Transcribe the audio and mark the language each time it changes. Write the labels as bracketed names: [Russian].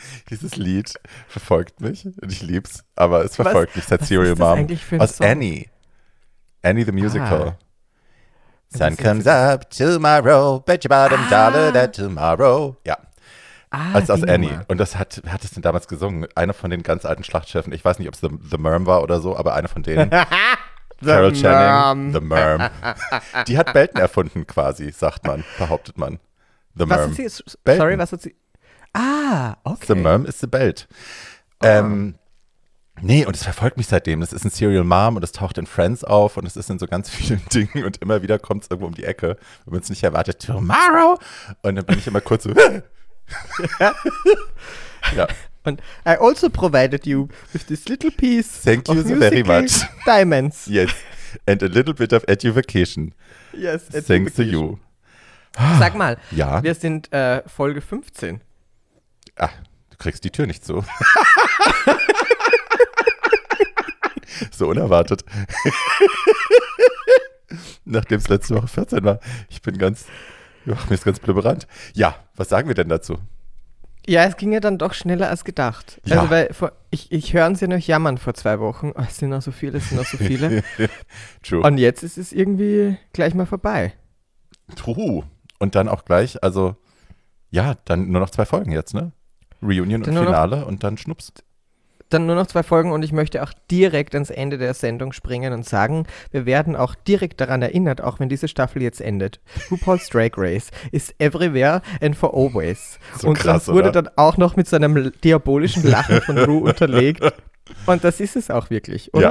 [German] Dieses Lied verfolgt mich und ich lieb's, aber es verfolgt mich seit Serial Mom. Was ist [English] Annie? Annie the Musical. Ah. Sun comes up tomorrow, bet your bottom dollar that tomorrow. [German] Ja. Als aus Annie. Nummer. Und das hat es denn damals gesungen? Einer von den ganz alten Schlachtschiffen. Ich weiß nicht, ob es The Merm war oder so, aber einer von denen. [English] Carol Channing, The Merm. [German] Die hat Belten erfunden quasi, sagt man, behauptet man. [English] The Merm. [German] Was hat sie? Sorry, was hat sie? Ah, okay. [English] The Merm ist the Belt. [German] Nee, und es verfolgt mich seitdem. Das ist ein Serial Mom und es taucht in Friends auf und es ist in so ganz vielen Dingen und immer wieder kommt es irgendwo um die Ecke, wenn man es nicht erwartet. Tomorrow! Und dann bin ich immer kurz so. Ja. [English] And I also provided you with this little piece. Thank you of very much. Diamonds. Yes. And a little bit of education. Yes, thanks to you. [German] Sag mal, ja? Wir sind Folge 15. Ah, du kriegst die Tür nicht zu. So unerwartet. Nachdem es letzte Woche 14 war. Ich bin ganz, mir ist ganz blubberant. Ja, was sagen wir denn dazu? Ja, es ging ja dann doch schneller als gedacht. Ja. Also weil ich höre sie noch jammern vor 2 Wochen. Oh, es sind noch so viele. [English] True. [German] Und jetzt ist es irgendwie gleich mal vorbei. [English] True. [German] Und dann auch gleich, also ja, dann nur noch 2 Folgen jetzt, ne? Reunion dann und Finale noch, und dann schnups. Dann nur noch 2 Folgen und ich möchte auch direkt ans Ende der Sendung springen und sagen, wir werden auch direkt daran erinnert, auch wenn diese Staffel jetzt endet. [English] RuPaul's Drag Race is everywhere and for always. [German] So und krass, das wurde dann auch noch mit so einem diabolischen Lachen von Ru unterlegt. Und das ist es auch wirklich, oder?